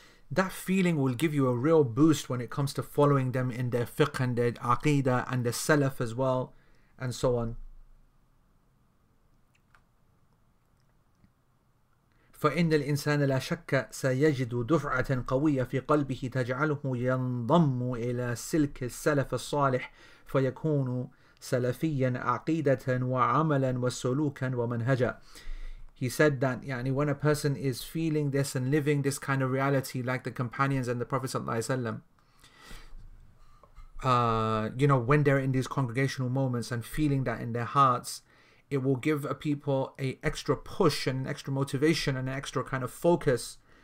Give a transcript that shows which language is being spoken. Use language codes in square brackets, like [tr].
[en] That feeling will give you a real boost when it comes to following them in their fiqh and their aqidah and the salaf as well, and so on. [ar] فإن الإنسان لا شك سيجد دفعة قوية في قلبه تجعله ينضم إلى سلك السلف الصالح فيكون سلفيا عقيدة وعملا وسلوكا ومنهجا. [en] He said that يعني when a person is feeling this and living this kind of reality like the companions and the Prophet [ar] صلى الله عليه وسلم, [en] you know, when they're in these congregational moments and feeling that in their hearts, it will give a people a extra push and an extra motivation and an extra kind of focus